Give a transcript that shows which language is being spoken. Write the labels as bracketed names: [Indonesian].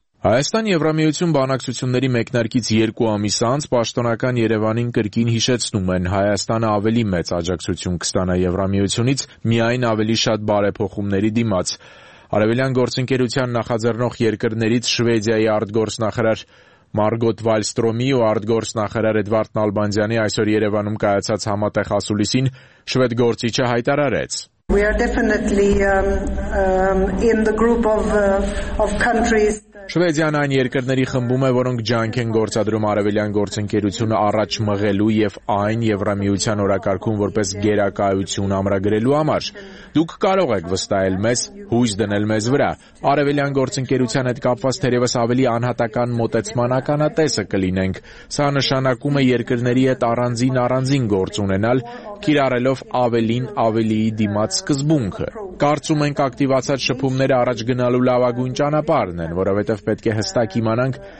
[Armenian] Հայաստան Եվրամիություն բանակցությունների մեկնարկից 2 ամիս անց պաշտոնական Երևանին կրկին հիշեցնում են, Հայաստանը ավելի մեծ աջակցություն կստանա Եվրամիությունից, միայն ավելի շատ բարեփոխումների դիմաց։ Արևելյան գործընկերության նախաձեռնող երկրներից Շվեդիայի արտգործնախարար Մարգոտ Վալստրոմի ու արտգործնախարար Էդվարդ Նալբանդյանի այսօր Երևանում կայացած համատեղ հասուլիսին շվեդ գործիչը հայտարարեց. [English] We are definitely in the group of countries. [Armenian] Շվեդիան այն երկրների խմբում է, որոնք ջանք են գործադրում արևելյան գործընկերությունը առաջ մղելու և այն Եվրամիության օրակարգում որպես գերակայություն ամրագրելու համար։ Դուք կարող եք վստահել մեզ, հույս դնել մեզ վրա։ Արևելյան գործընկերության հետ կապված թերևս ավելի անհատական մոտեցման ականատեսը կլինենք։ Սա նշանակում է երկրների հետ առանձին գործ ունենալ, կիրառելով ավելին ավելի դիմաց սկզբունքը։ Կարծում ենք, ակտիվացած շփումները առաջ գնալու լավագույն ճանապարհն են, որովհետև պետք է հստակ իմանանք,